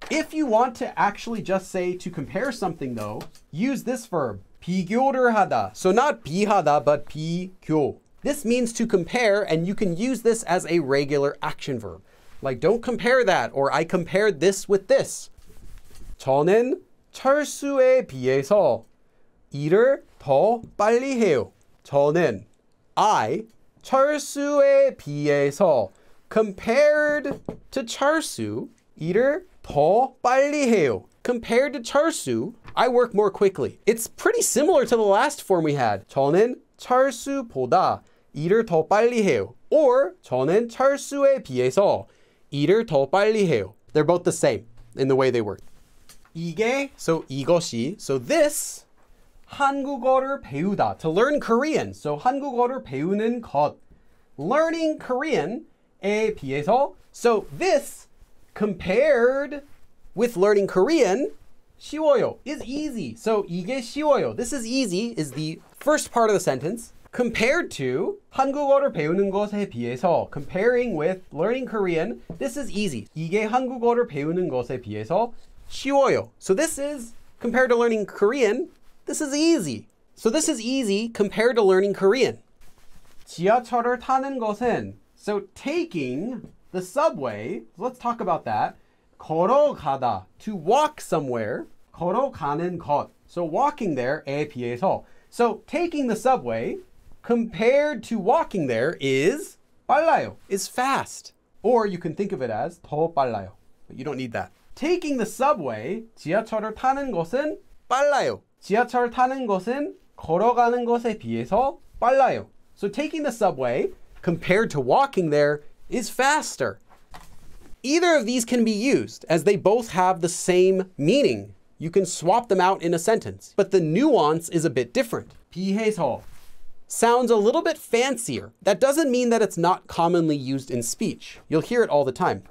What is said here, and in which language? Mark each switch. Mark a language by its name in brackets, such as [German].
[English] If you want to actually just say to compare something though, use this verb, 비교를 하다. So not 비하다, but 비교. This means to compare, and you can use this as a regular action verb. Like don't compare that, or I compared this with this. [Korean] 저는 철수에 비해서 일을 더 빨리 해요. 저는 I 철수에 비해서 [English] compared to [Korean] 철수 일을 더 빨리 해요. [English] Compared to 철수, I work more quickly. It's pretty similar to the last form we had. [Korean] 저는 철수보다 일을 더 빨리 해요. Or 저는 철수에 비해서 일을 더 빨리 해요. [English] They're both the same in the way they work. 이게, so 이것이, so this 한국어를 배우다, to learn Korean. [Korean] So 한국어를 배우는 것. [English] Learning Korean에 비해서. So this compared with learning Korean, 쉬워요, is easy. So [Korean] 이게 쉬워요, [English] this is easy, is the first part of the sentence. Compared to [Korean] 한국어를 배우는 것에 비해서, [English] comparing with learning Korean, this is easy. [Korean] 이게 한국어를 배우는 것에 비해서 쉬워요. [English] So this is, compared to learning Korean, this is easy. So this is easy compared to learning Korean. [Korean] 지하철을 타는 것은, [English] so taking the subway, so let's talk about that. 걸어가다, to walk somewhere. 걸어가는 것, so walking there, 에 비해서. So taking the subway compared to walking there is 빨라요, is fast. Or you can think of it as 더 빨라요, but you don't need that. Taking the subway, [Korean] 지하철을 타는 것은 빨라요. 지하철 타는 것은 걸어가는 것에 비해서 빨라요. [English] So taking the subway compared to walking there is faster. Either of these can be used as they both have the same meaning. You can swap them out in a sentence, but the nuance is a bit different. 비해서 sounds a little bit fancier. That doesn't mean that it's not commonly used in speech. You'll hear it all the time.